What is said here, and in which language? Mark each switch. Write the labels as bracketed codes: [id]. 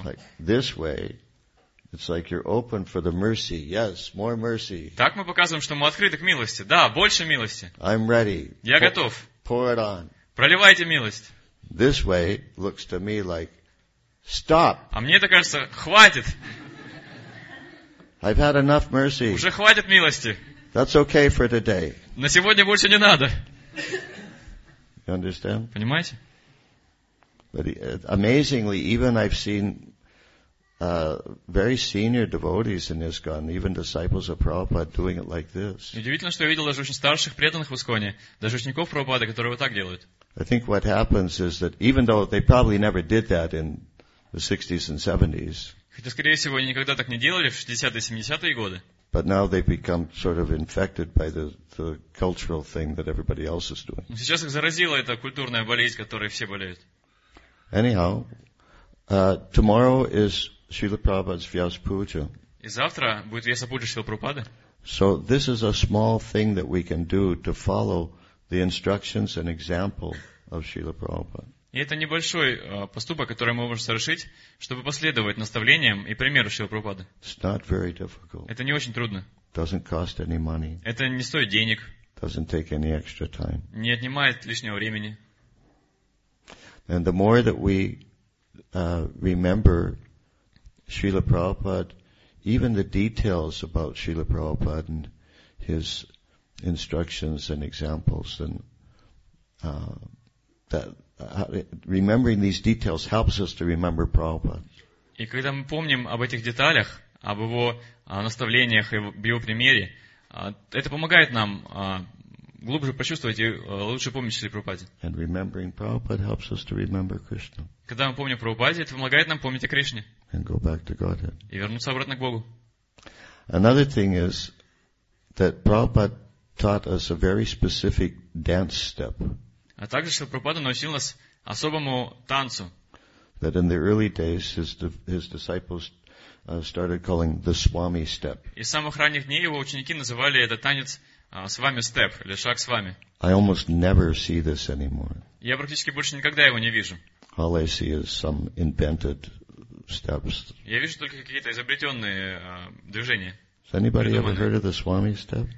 [en] Like this way, it's like you're open for the mercy. Yes, more mercy. [ru] Так мы показываем, что мы открыты к милости. Да, больше милости. [en] I'm ready. [ru] Я готов. [en] Pour it on. [ru] Проливайте милость. [en] This way looks to me like stop. [ru] А мне это кажется, хватит. [en] I've had enough mercy. [ru] Уже хватит милости. [en] That's okay for today. [ru] На сегодня больше не надо. [en] You understand? [ru] Понимаете? [en] But amazingly, even I've seen very senior devotees in ISKCON, even disciples of Prabhupada doing it like this. [ru] Удивительно, что я видел даже очень старших преданных в ИСККОНе, даже учеников Прабхупады, которые вот так делают. [en] I think what happens is that even though they probably never did that in the 60s and 70s. [ru] Хотя, скорее всего, они никогда так не делали в 60-е и 70-е годы. [en] But now they've become sort of infected by the cultural thing that everybody else is doing. [ru] Сейчас их заразила эта культурная болезнь, которой все болеют. [en] Anyhow, tomorrow is Srila Prabhupada's Vyasa Puja. [ru] И завтра будет Вьяса Пуджа Шрилы Прабхупады. [en] So this is a small thing that we can do to follow the instructions and example of Srila Prabhupada. [ru] И это небольшой поступок, который мы можем совершить, чтобы последовать наставлениям и примеру Шрилы Прабхупады. [en] It's not very difficult. [ru] Это не очень трудно. [en] Doesn't cost any money. [ru] Это не стоит денег. [en] Doesn't take any extra time. [ru] Не отнимает лишнего времени. [en] And the more that we remember Srila Prabhupada, even the details about Srila Prabhupada and his instructions and examples, and that remembering these details helps us to remember Prabhupada. [ru] И когда мы помним об этих деталях, об его наставлениях и об его примере, это помогает нам глубже почувствовать и лучше помнить Шри Прабхупаде. [en] And remembering Prabhupada helps us to remember Krishna. [ru] Когда мы помним Прабхупаде, это помогает нам помнить о Кришне. [en] And go back to Godhead. [ru] И вернуться обратно к Богу. [en] Another thing is that Prabhupada taught us a very specific dance step. [ru] А также, что Прабхупада научил нас особому танцу. [en] that in the early days his disciples started calling the Swami step. [ru] Из самых ранних дней его ученики называли этот танец Свами степ, или шаг Свами. [en] I almost never see this anymore. [ru] Я практически больше никогда его не вижу. [en] All I see is some invented steps. [ru] Я вижу только какие-то изобретенные движения. [en] Has anybody ever heard of the Swami step?